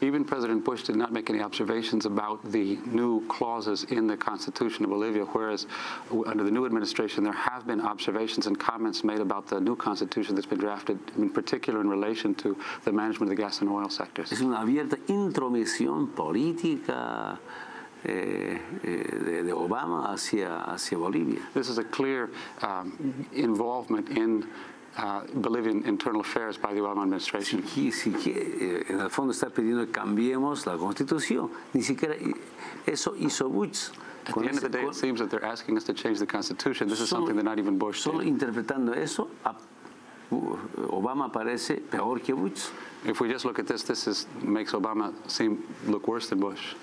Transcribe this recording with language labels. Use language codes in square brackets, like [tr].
[en] Even President Bush did not make any observations about the new clauses in the Constitution of Bolivia, whereas under the new administration there have been observations and comments made about the new Constitution that's been drafted, in particular in relation to the management of the gas and oil sectors. [es] Es una abierta intromisión política de Obama hacia Bolivia. [en] This is a clear involvement in Bolivian internal affairs by the Obama administration. [es] En el fondo está pidiendo que cambiemos la constitución. Ni siquiera eso hizo Bush. [en] At the end of the day, it seems that they're asking us to change the constitution. This is something that not even Bush did. [es] Solo interpretando eso, Obama parece peor que Bush. [en] If we just look at this, this is, makes Obama seem look worse than Bush.